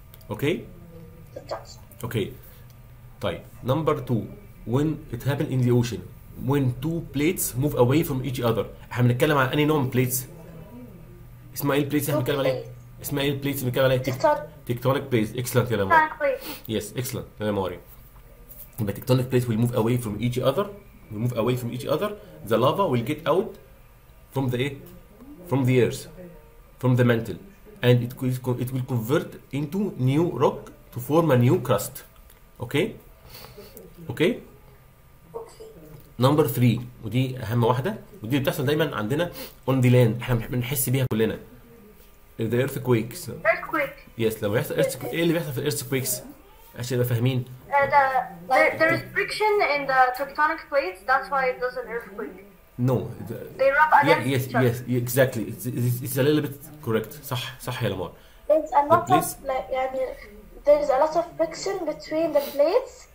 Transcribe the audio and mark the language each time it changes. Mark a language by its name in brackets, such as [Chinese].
[English] Okay okay. Okay طيب number 2 when it happen in the ocean when two plates move away from each other. [Arabic] احنا بنتكلم عن اني نوع من بليتس؟ اسمها ايه البليتس اللي بنتكلم عليها؟ اسمها ايه البليتس اللي بنتكلم عليها؟ [English] Tectonic plates. [Arabic] اكسلنت يا لاموري. [English] yes excellent [Arabic] يا لاموري. [English] the tectonic plates will move away from each other, will move away from each other, the lava will get out from the earth, from the mantle, and it will convert into new rock to form a new crust. Okay. Okay. [Arabic] نمبر 3 ودي اهم واحده ودي اللي بتحصل دايما عندنا [English] on the land [Arabic] احنا بنحس بيها كلنا [English] the earthquakes [Arabic] يس لما يحصل ايرث كويكس ايه اللي بيحصل في الايرث كويكس عشان نبقى فاهمين [English] there is friction in the tectonic plates that's why it does an earthquake no they rub against each other yes yes exactly it's a little bit correct [Arabic] صح صح يا لمار [English] there's a lot of like there's a lot of friction between the plates